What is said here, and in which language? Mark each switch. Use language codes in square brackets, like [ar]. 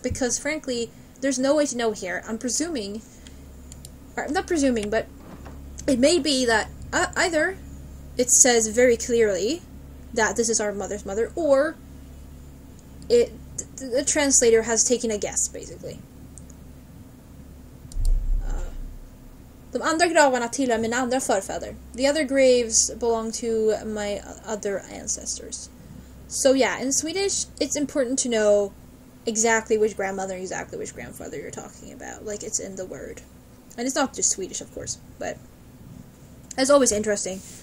[en] Because frankly, there's no way to know here. I'm presuming, or I'm not presuming, but it may be that either it says very clearly that this is our mother's mother, or the translator has taken a guess, basically. [sv] De andra gravarna tillhör mina andra förfäder. [en] The other graves belong to my other ancestors. So yeah, in Swedish, it's important to know exactly which grandmother, exactly which grandfather you're talking about. Like, it's in the word. And it's not just Swedish, of course, but it's always interesting.